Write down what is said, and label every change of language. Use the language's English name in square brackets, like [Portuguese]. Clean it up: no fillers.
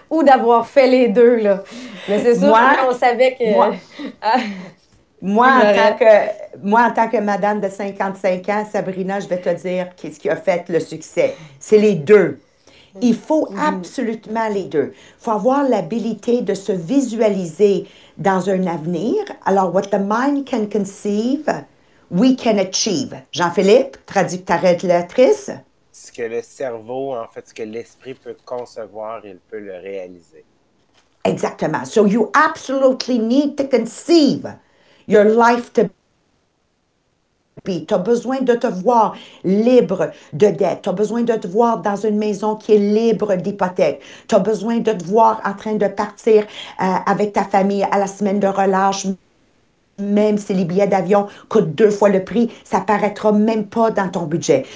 [French] Ou d'avoir fait les deux, là? Mais c'est sûr qu'on savait que... Moi, en tant que madame de 55 ans, Sabrina, je vais te dire qu'est-ce qui a fait le succès. C'est les deux. Il faut absolument les deux. Il faut avoir l'habilité de se visualiser dans un avenir. [English] Alors, what the mind can conceive, we can achieve. [French] Jean-Philippe, traduis ta lettrice. Ce que le cerveau, en fait, ce que l'esprit peut concevoir, il peut le réaliser. Exactement. [English] So you absolutely need to conceive your life to be. [French] Puis, tu as besoin de te voir libre de dette. Tu as besoin de te voir dans une maison qui est libre d'hypothèque. Tu as besoin de te voir en train de partir avec ta famille à la semaine de relâche. Même si les billets d'avion coûtent deux fois le prix, ça paraîtra même pas dans ton budget.